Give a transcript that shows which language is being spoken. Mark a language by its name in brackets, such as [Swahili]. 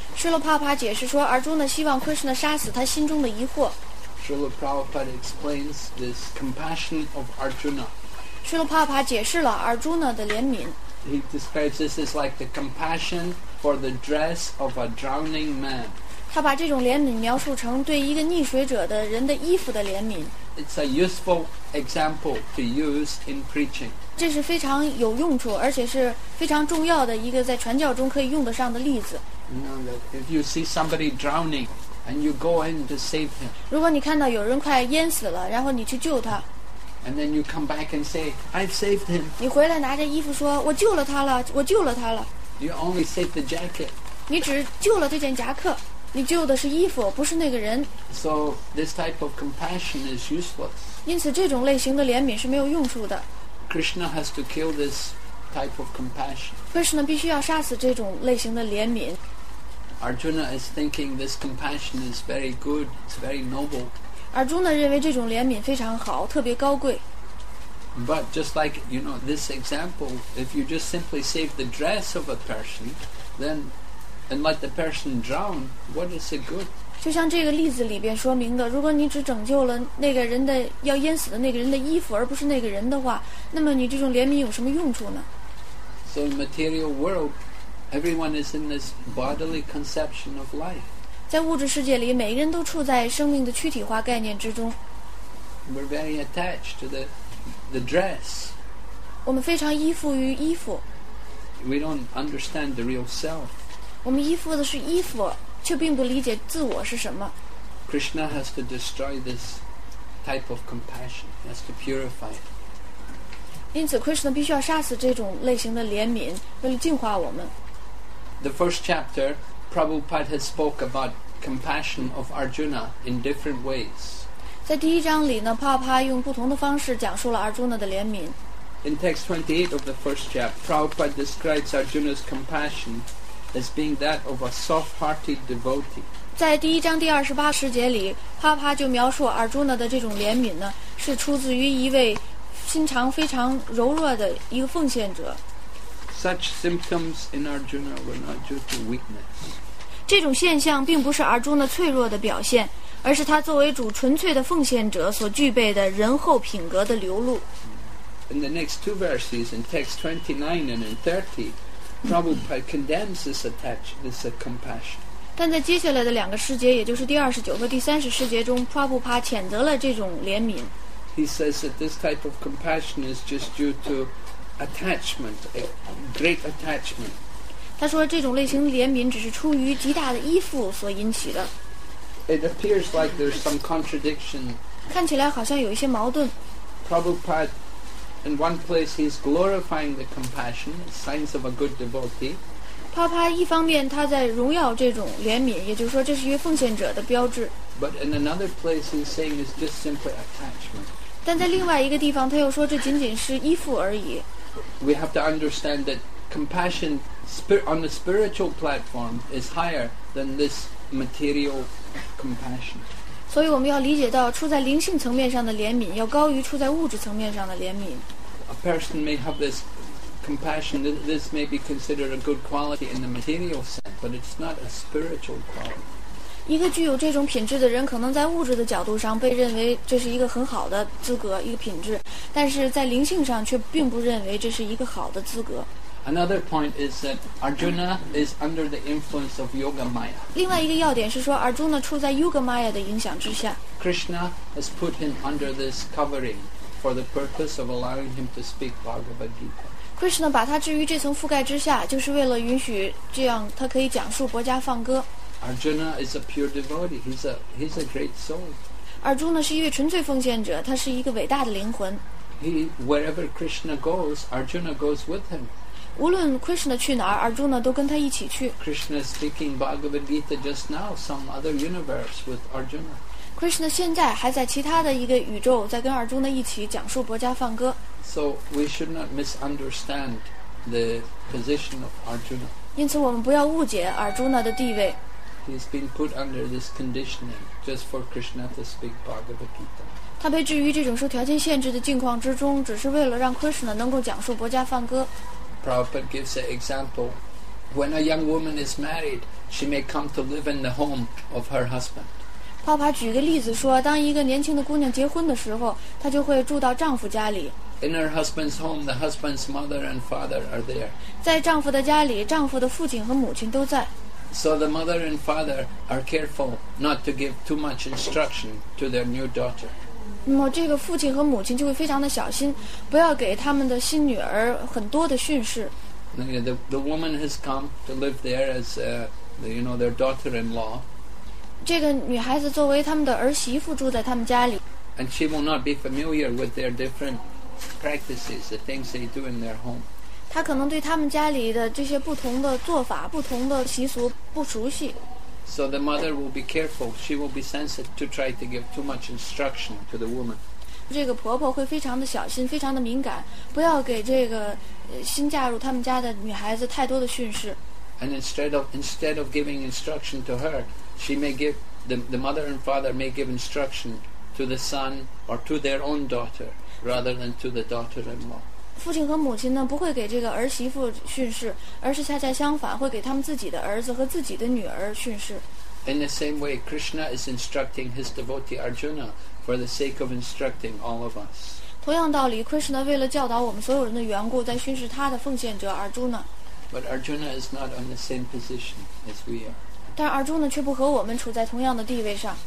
[Chinese] Srila Prabhupada 解释说 Arjuna 希望 Krishna 杀死他心中的疑惑 [English] Srila Prabhupada explains this compassion of Arjuna. [Chinese] Srila Prabhupada 解释了 Arjuna 的怜悯 [English] He describes this as like the compassion for the dress of a drowning man. [Chinese] 他把这种怜悯描述成对一个溺水者的人的衣服的怜悯 [English] It's a useful example to use in preaching. [Chinese] 这是非常有用处而且是非常重要的一个在传教中可以用得上的例子 [English] You know, that if you see somebody drowningAnd you go in to save him. [Chinese] 如果你看到有人快淹死了，然后你去救他。 [English] And then you come back and say, "I've saved him." [Chinese] 你回来拿着衣服说，我救了他了，我救了他了。 [English] You only saved the jacket. [Chinese] 你只救了这件夹克，你救的是衣服，不是那个人。 [English] So this type of compassion is useless. [Chinese] 因此，这种类型的怜悯是没有用处的。 [English] Krishna has to kill this type of compassion. [Chinese] Krishna 必须要杀死这种类型的怜悯。 [English] Arjuna is thinking this compassion is very good, it's very noble. [Chinese] Arjuna 认为这种怜悯非常好，特别高贵。 [English] But just like, you know, this example, if you just simply save the dress of a person, then, and let the person drown, what is it good? [Chinese] 就像这个例子里边说明的，如果你只拯救了那个人的，要淹死的那个人的衣服，而不是那个人的话，那么你这种怜悯有什么用处呢？ [English] So in the material world,Everyone is in this bodily conception of life. [Chinese] 在物质世界里，每个人都处在生命的躯体化概念之中。 [English] We're very attached to the dress. [Chinese] 我们非常依附于衣服。 [English] We don't understand the real self. [Chinese] 我们依附的是衣服，却并不理解自我是什么。 [English] Krishna has to destroy this type of compassion. He has to purify it. [Chinese] 因此 ，Krishna 必须要杀死这种类型的怜悯，为了净化我们。 [English] The first chapter, Prabhupada has spoke about compassion of Arjuna in different ways. [Chinese] 在第一章里呢，帕帕用不同的方式讲述了 Arjuna 的怜悯。 [English] In text 28 of the first chapter, Prabhupada describes Arjuna's compassion as being that of a soft-hearted devotee. [Chinese] 在第一章第二十八十节里，帕帕就描述 Arjuna 的这种怜悯呢，是出自于一位心肠非常柔弱的一个奉献者。 [English] Such symptoms in Arjuna were not due to weakness. [Chinese] 这种现象并不是 Arjuna 脆弱的表现，而是他作为主纯粹的奉献者所具备的仁厚品格的流露。 [English] In the next two verses, in text 29 and in 30, Prabhupada condemns this attachment, this compassion. [Chinese] 但在接下来的两个世节，也就是第二十九和第三十世节中，普拉布帕谴责了这种怜悯。 [English] He says that this type of compassion is just due to attachment, a great attachment. [Chinese] 他说这种类型怜悯只是出于极大的依附所引起的。 [English] It appears like there's some contradiction. [Chinese] 看起来好像有一些矛盾。 [English] Prabhupada, in one place, he's glorifying the compassion, signs of a good devotee. [Chinese] 帕帕一方面他在荣耀这种怜悯，也就是说这是一位奉献者的标志。 [English] But in another place, he's saying it's just simply attachment. [Chinese] 但在另外一个地方，他又说这仅仅是依附而已。 [English] We have to understand that compassion on the spiritual platform is higher than this material compassion. [Chinese] 所以我们要理解到，处在灵性层面上的怜悯要高于处在物质层面上的怜悯。 [English] A person may have this compassion. This may be considered a good quality in the material sense, but it's not a spiritual quality. [Chinese] 一个具有这种品质的人，可能在物质的角度上被认为这是一个很好的资格，一个品质，但是在灵性上却并不认为这是一个好的资格。 [English] Another point is that Arjuna is under the influence of Yoga Maya. [Chinese] 另外一个要点是说 ，Arjuna 处在 Yoga Maya 的影响之下。 [English] Krishna has put him under this covering for the purpose of allowing him to speak Bhagavad Gita. [Chinese] Krishna 把他置于这层覆盖之下，就是为了允许这样他可以讲述薄伽梵歌。 [English] Arjuna is a pure devotee. He's a great soul. [Chinese] Arjuna 是一位纯粹奉献者，他是一个伟大的灵魂。 [English] Wherever Krishna goes, Arjuna goes with him. [Chinese] 无论 Krishna 去哪儿 ，Arjuna 都跟他一起去。 [English] Krishna is speaking Bhagavad Gita just now, some other universe with Arjuna. [Chinese] Krishna 现在还在其他的一个宇宙，在跟 Arjuna 一起讲述薄伽梵歌。 [English] So we should not misunderstand the position of Arjuna. [Chinese] 因此，我们不要误解 Arjuna 的地位。 [English] He's been put under this conditioning just for Krishna to speak Bhagavad Gita. [Chinese] 他被置于这种受条件限制的境况之中，只是为了让 Krishna 能够讲述薄伽梵歌。 [English] Prabhupada gives an example. When a young woman is married, she may come to live in the home of her husband. [Chinese] 帕帕举个例子说，当一个年轻的姑娘结婚的时候，她就会住到丈夫家里。 [English] In her husband's home, the husband's mother and father are there. [Chinese] 在丈夫的家里，丈夫的父亲和母亲都在。 [English] So the mother and father are careful not to give too much instruction to their new daughter. [Chinese] 那么这个父亲和母亲就会非常的小心，不要给他们的新女儿很多的训示。 [English] The woman has come to live there as their daughter-in-law. [Chinese] 这个女孩子作为他们的儿媳妇住在他们家里。 [English] And she will not be familiar with their different practices, the things they do in their home. [Chinese] 他可能对他们家里的这些不同的做法、不同的习俗不熟悉。 [English] So the mother will be careful. She will be sensitive to try to give too much instruction to the woman. [Chinese] 这个婆婆会非常的小心、非常的敏感，不要给这个新嫁入他们家的女孩子太多的训示。 [English] And instead of giving instruction to her, she may give the mother and father may give instruction to the son or to their own daughter rather than to the daughter-in-law. [Chinese] 父亲和母亲呢，不会给这个儿媳妇训示，而是恰恰相反，会给他们自己的儿子和自己的女儿训示。 [English] In the same way, Krishna is instructing his devotee Arjuna for the sake of instructing all of us. [Chinese] 同样道理 ，Krishna 为了教导我们所有人的缘故，在训示他的奉献者 Arjuna。 [English] But Arjuna is not on the same position as we are. [Chinese] 但 Arjuna 却不和我们处在同样的地位上。